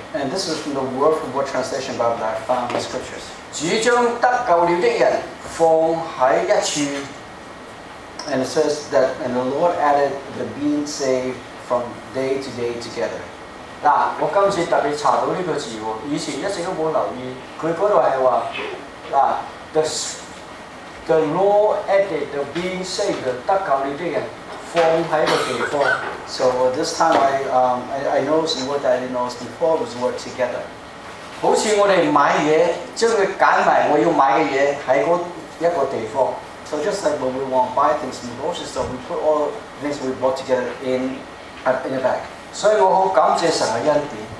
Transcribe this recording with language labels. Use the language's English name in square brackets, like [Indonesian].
[English] And this is from the word from word translation Bible that I found in the scriptures. [Chinese] 主將得救的人放在一處. [English] And it says that, and the Lord added the being saved from day to day together. [Chinese] 我今次特別查到這個字,以前一直都沒有留意,它那裡是說 [English] The Lord added the being saved, [Chinese] 得救你的人,放在一個地方. [English] So this time I noticed the word that I didn't notice before was the word together. [Chinese] 好像我們買東西,將它選擇我要買的東西在一個地方. [English] So just like when we want to buy things in the grocery store, we put all the things we bought together in a bag. [Chinese] 所以我很感謝神的恩典.